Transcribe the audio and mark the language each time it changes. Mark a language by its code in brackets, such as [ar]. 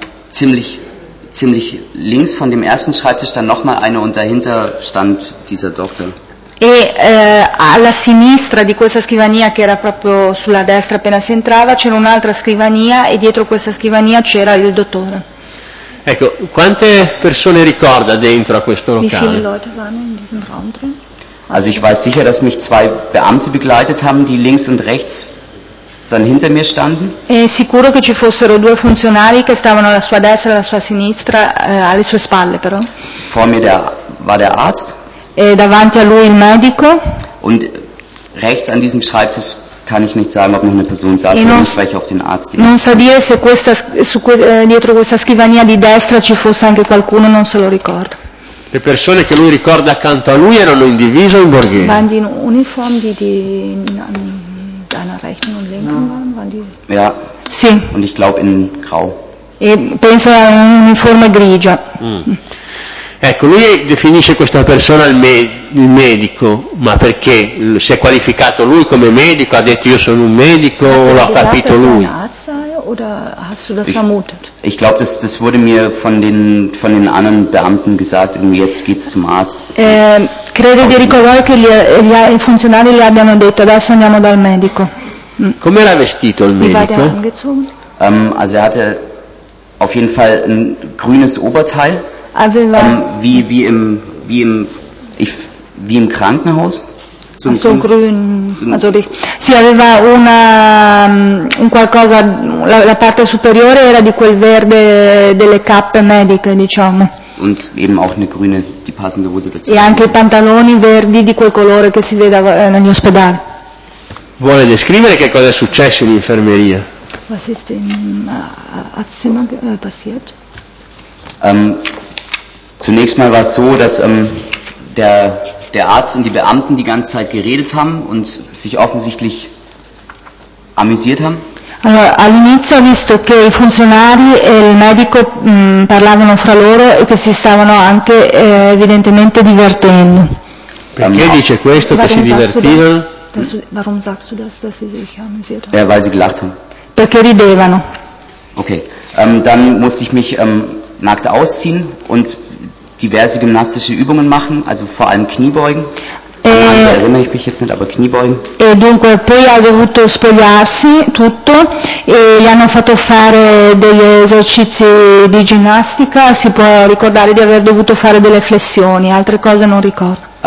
[de] Ziemlich links von dem ersten Schreibtisch dann noch mal eine und dahinter stand dieser Doktor. [it] E alla sinistra di questa scrivania, che era proprio sulla destra appena si entrava, c'era un'altra scrivania e dietro questa scrivania c'era il dottore. Ecco, quante persone ricorda dentro a questo locale? [de] Wie viele Leute waren in diesem Raum drin? Also ich weiß sicher, dass mich zwei Beamte begleitet haben, die links und rechts dann hinter mir standen. [it] È sicuro che ci fossero due funzionari che stavano alla sua destra e alla sua sinistra, alle sue spalle però. [de] Vor mir war der Arzt. [it] E davanti a lui il medico. [de] Und rechts an diesem Schreibtisch kann ich nicht sagen, ob noch eine Person saß, weil ich spreche auf den Arzt. [it] Non so dire se questa dietro questa scrivania di destra ci fosse anche qualcuno, non se lo ricordo. Le persone che lui ricorda accanto a lui erano in divisa o in borghese? [de] Waren die in Uniform, die deiner rechten und linken waren? Waren die? Ja. [it] Sì. [de] Und ich glaube in grau. [it] E pensa a un'uniforme grigia. Ecco, lui definisce questa persona il medico, ma perché? Si è qualificato lui come medico? Ha detto io sono un medico? [de] Hat [it] o l'ha capito lui? [de] Oder hast du das vermutet? Ich glaube, das wurde mir von den anderen Beamten gesagt, jetzt geht's zum Arzt. [it] Credo di ricordare che i funzionari gli abbiano detto adesso andiamo dal medico. Come era vestito il medico? [de] Also er hatte auf jeden Fall ein grünes Oberteil. [it] Aveva [de] wie im Krankenhaus [it] sì, aveva una un qualcosa, la parte superiore era di quel verde delle cappe mediche, diciamo. [de] Und eben auch eine grüne, die passende Hose dazu. [it] E anche i pantaloni verdi di quel colore che si vede negli ospedali. Vuole descrivere che cosa è successo in infermeria? [de] Was ist im Arztzimmer passiert? Zunächst mal war es so, dass der Arzt und die Beamten die ganze Zeit geredet haben und sich offensichtlich amüsiert haben. [it] Allora, all'inizio ho visto che i funzionari e il medico parlavano fra loro e che si stavano anche evidentemente divertendo. Perché dice questo, che si divertivano? [de] Warum sagst du das, dass sie sich amüsiert haben? Weil sie gelacht haben. [it] Perché ridevano. [de] Okay, dann musste ich mich nackt ausziehen und diverse gymnastische Übungen machen, also vor allem Kniebeugen. Erinnere ich mich jetzt nicht, aber Kniebeugen. [it] E dunque poi ha dovuto spogliarsi tutto e gli hanno fatto fare degli esercizi di ginnastica. Si può ricordare di aver dovuto fare delle flessioni, altre cose non ricordo.